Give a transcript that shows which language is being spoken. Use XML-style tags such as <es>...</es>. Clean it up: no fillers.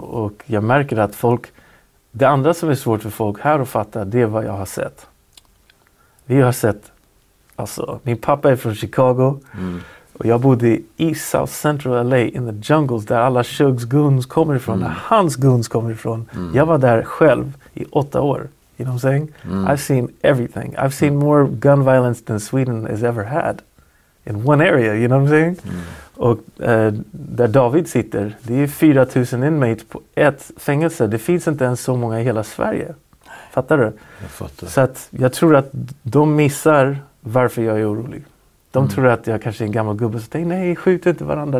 <sv>Och jag märker att folk, det andra som är svårt för folk här att fatta, det är vad jag har sett. Vi har sett, alltså, min pappa är från Chicago. Mm. Och jag bodde i South Central LA,</sv> <en>in the jungles,</en> <sv>där alla Shugs goons kommer ifrån, där hans goons kommer ifrån. Mm. Jag var där själv i 8 år,</sv> <en>you know what I'm saying? Mm. I've seen everything. I've seen more gun violence than Sweden has ever had. In one area, you know what I'm saying? Mm.</en> <sv>Och där David sitter, det är 4000 inmates på ett fängelse. Det finns inte ens så många i hela Sverige. Fattar du? Jag fattar. Så att jag tror att de missar varför jag är orolig. De tror att jag kanske är en gammal gubbe som tänker, nej, skjut inte varandra.</sv>